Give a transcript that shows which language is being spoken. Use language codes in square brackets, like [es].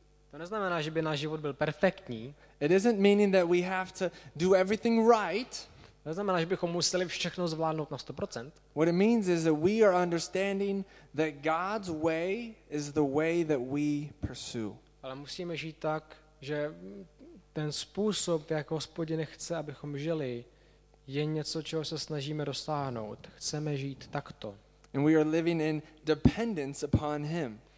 [cs] To neznamená, že by náš život byl perfektní. [en] It isn't meaning that we have to do everything right. [cs] To neznamená, že bychom museli všechno zvládnout na 100%. [en] What it means is that we are understanding that God's way is the way that we pursue. [cs] Ale musíme žít tak, že ten způsob, jak Hospodin chce, abychom žili, je něco, čeho se snažíme dosáhnout. Chceme žít takto. [en] And we are living in dependence upon him.